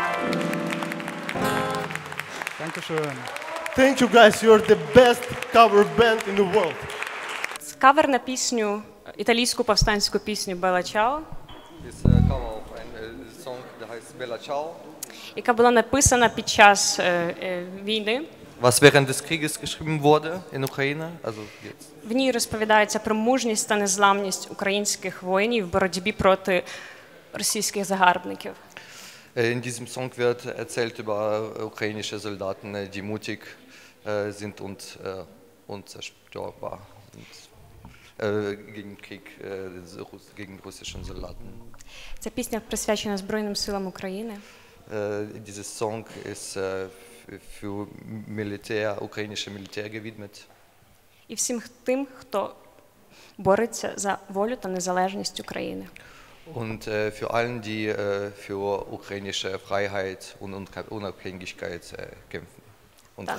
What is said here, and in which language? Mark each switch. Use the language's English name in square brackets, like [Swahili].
[English] Thank you, Sharon. Thank you guys, you are the best cover band in the world. [Ukrainian] Cover на пісню, італійську повстанську пісню Bella Ciao. [English] It's a cover of a song that is Bella Ciao. [Ukrainian] Яка була написана під час війни. [German] Was während des Krieges geschrieben wurde in Ukraine, also jetzt. [Ukrainian] В ній розповідається про мужність та незламність українських воїнів в боротьбі проти російських загарбників. [German] In diesem Song wird erzählt über ukrainische Soldaten, die mutig sind und unzerstörbar sind, gegen russische Soldaten. [Ukrainian] Ця пісня присвячена Збройним силам України. [German] Dieses Song ist für Militär, ukrainische Militär gewidmet. [Ukrainian] І всім тим, хто бореться за волю та незалежність України. [German] Und für allen, die für ukrainische Freiheit und Unabhängigkeit kämpfen und Dank.